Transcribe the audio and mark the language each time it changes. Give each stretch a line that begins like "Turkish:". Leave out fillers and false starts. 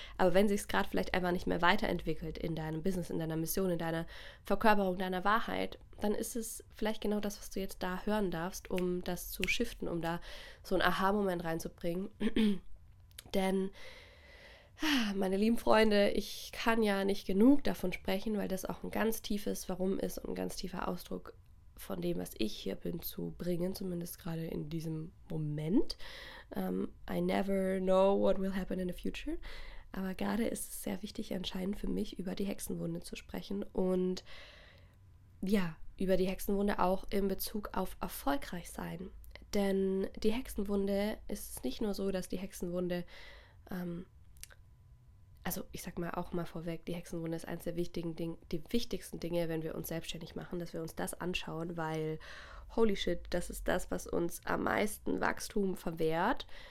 German: Aber wenn sich es gerade vielleicht einfach nicht mehr weiterentwickelt in deinem Business, in deiner Mission, in deiner Verkörperung, deiner Wahrheit, dann ist es vielleicht genau das, was du jetzt da hören darfst, um das zu shiften, um da so einen Aha-Moment reinzubringen. Denn, meine lieben Freunde, ich kann ja nicht genug davon sprechen, weil das auch ein ganz tiefes Warum ist und ein ganz tiefer Ausdruck von dem, was ich hier bin, zu bringen, zumindest gerade in diesem Moment.
English: I never know what will happen in the future.
German: Aber gerade ist es sehr wichtig anscheinend für mich, über die Hexenwunde zu sprechen. Und ja, über die Hexenwunde auch in Bezug auf erfolgreich sein. Denn die Hexenwunde ist nicht nur so, dass die Hexenwunde, also ich sag mal auch mal vorweg, die Hexenwunde ist eines der wichtigsten Dinge, wenn wir uns selbstständig machen, dass wir uns das anschauen, weil
English: holy shit,
German: das ist das, was uns am meisten Wachstum verwehrt.